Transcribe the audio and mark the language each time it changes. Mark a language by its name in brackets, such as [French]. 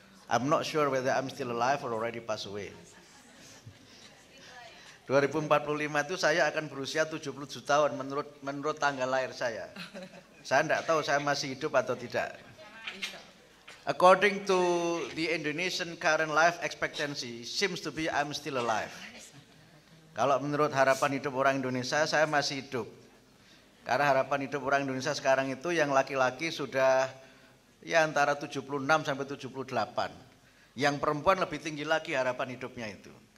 [English] I'm not sure whether I'm still alive or already passed away. [Indonesian] 2045 itu saya akan berusia 77 tahun menurut tanggal lahir saya. Saya enggak tahu saya masih hidup atau tidak. [English] According to the Indonesian current life expectancy, seems to be I'm still alive. [Indonesian] Kalau menurut harapan hidup orang Indonesia, saya masih hidup. Karena harapan hidup orang Indonesia sekarang itu yang laki-laki sudah ya antara 76 sampai 78. Yang perempuan lebih tinggi lagi harapan hidupnya itu.